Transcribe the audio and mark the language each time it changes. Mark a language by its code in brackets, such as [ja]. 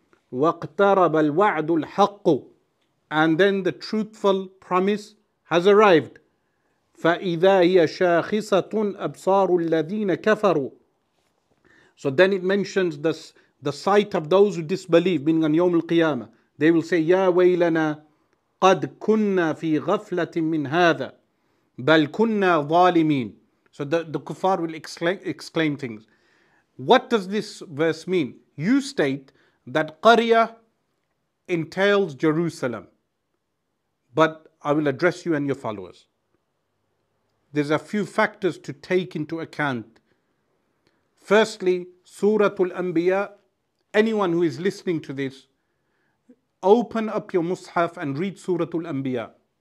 [ar] وَاقْتَرَبَ الْوَعْدُ الْحَقُّ. [en] And then the truthful promise has arrived. [ar] فَإِذَا هِيَ شَاخِصَةٌ أَبْصَارُ الَّذِينَ كَفَرُوا. [en] So then it mentions the sight of those who disbelieve, meaning on Yawm al-Qiyamah. They will say, [ar] يَا وَيْلَنَا قَدْ كُنَّا فِي غَفْلَةٍ مِّنْ هَذَا بَلْ كُنَّا ظَالِمِينَ. [en] So the kuffar will exclaim things. What does this verse mean? You state that qarya entails Jerusalem. But I will address you and your followers. There's a few factors to take into account. Firstly, Suratul Anbiya, anyone who is listening to this, open up your mushaf and read Surah Al-Anbiya.